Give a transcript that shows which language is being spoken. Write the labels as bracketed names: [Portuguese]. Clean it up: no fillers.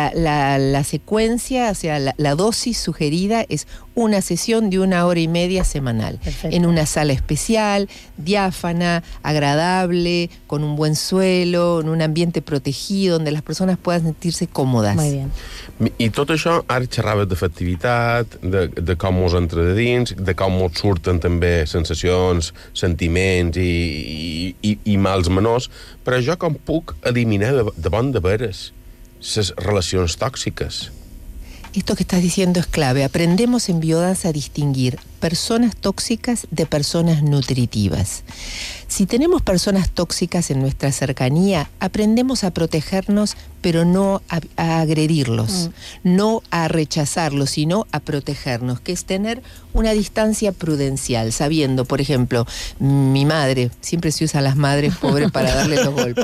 [Spanish] La secuencia, o sea, la dosis sugerida es una sesión de una hora y media semanal. Perfecto. En una sala especial, diáfana, agradable, con un buen suelo, en un ambiente protegido, donde las personas puedan sentirse cómodas. Muy bien. [Catalan] I tot això, ara xerraves d'efectivitat, de com mos entra de dins, de com mos surten també sensacions, sentiments i mals menors, però jo com puc eliminar de bon de veres les relacions tòxiques? [Spanish] Esto que estás diciendo es clave. Aprendemos en biodanza a distinguir personas tóxicas de personas nutritivas. Si tenemos personas tóxicas en nuestra cercanía, aprendemos a protegernos, pero no a agredirlos, no a rechazarlos, sino a protegernos, que es tener una distancia prudencial, sabiendo, por ejemplo, mi madre, siempre se usan las madres pobres para darle los golpes.